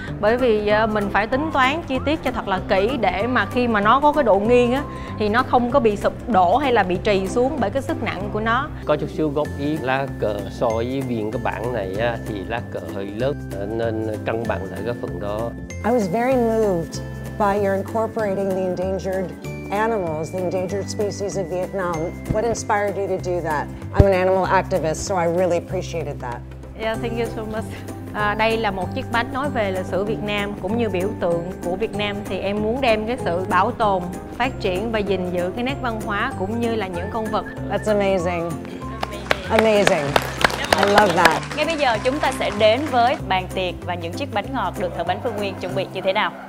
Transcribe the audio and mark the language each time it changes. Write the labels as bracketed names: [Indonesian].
[Vietnamese] Bởi vì mình phải tính toán chi tiết cho thật là kỹ để mà khi mà nó có cái độ nghiêng á thì nó không có bị sụp đổ hay là bị trì xuống bởi cái sức nặng của nó. Có chút xíu góp ý, lá cờ so với viên cái bảng này á thì lá cờ hơi lớn nên cân bằng lại cái phần đó. [English] I was very moved by your incorporating the endangered animals, the endangered species of Vietnam. What inspired you to do that? I'm an animal activist, so I really appreciated that. Yeah, thank you so much. [Vietnamese] Đây là một chiếc bánh nói về lịch sử Việt Nam cũng như biểu tượng của Việt Nam, thì em muốn đem cái sự bảo tồn, phát triển và gìn giữ cái nét văn hóa cũng như là những con vật. [English] That's amazing. Amazing. Amazing. I love that. [Vietnamese] Ngay bây giờ chúng ta sẽ đến với bàn tiệc và những chiếc bánh ngọt được thợ bánh Phương Nguyên chuẩn bị như thế nào.